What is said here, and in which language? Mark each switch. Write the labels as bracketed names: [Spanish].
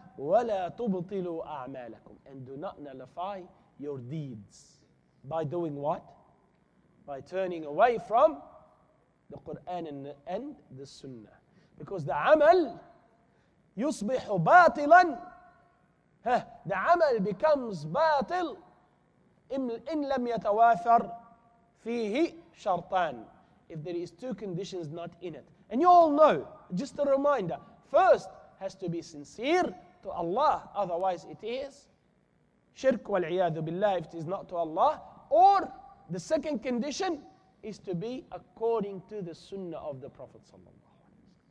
[Arabic] وَلَا تُبْطِلُوا أَعْمَالَكُمْ. [English] And do not nullify your deeds. By doing what? By turning away from the Qur'an and the sunnah. Because the amal [Arabic] يُصْبِحُ بَاطِلًا. [English] The amal becomes batil [Arabic] إِنْ لَمْ يَتَوَافَرْ فِيهِ شَرْطَان. [English] If there is two conditions not in it. And you all know, just a reminder, first has to be sincere to Allah, otherwise it is shirk wal-iyadu billah, if it is not to Allah. Or the second condition is to be according to the sunnah of the Prophet sallallahu alayhi wa sallam.